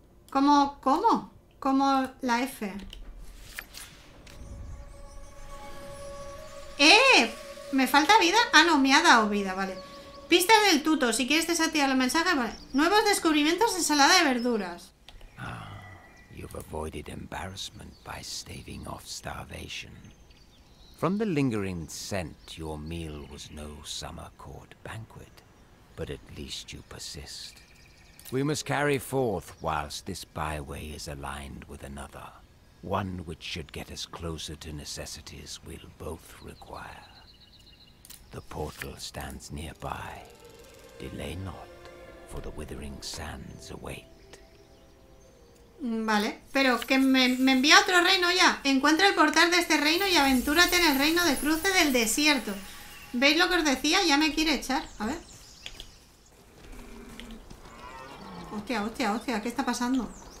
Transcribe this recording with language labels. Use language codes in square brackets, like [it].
[es] ¿Cómo? Como la F. ¡Eh! ¿Me falta vida? Ah, no, me ha dado vida, vale. Pista del tuto, si quieres desactivar los mensajes, vale. Nuevos descubrimientos de ensalada de verduras. [en] Ah, you've avoided embarrassment by staving off starvation. From the lingering scent, your meal was no summer court banquet, but at least you persist. We must carry forth whilst this byway is aligned with another, one which should get us closer to necessities we'll both require. The portal stands nearby. Delay not, for the withering sands await. [es] Vale, pero que me envía a otro reino ya. Encuentra el portal de este reino y aventúrate en el reino de cruce del desierto. ¿Veis lo que os decía? Ya me quiere echar. A ver. Hostia, ¿qué está pasando?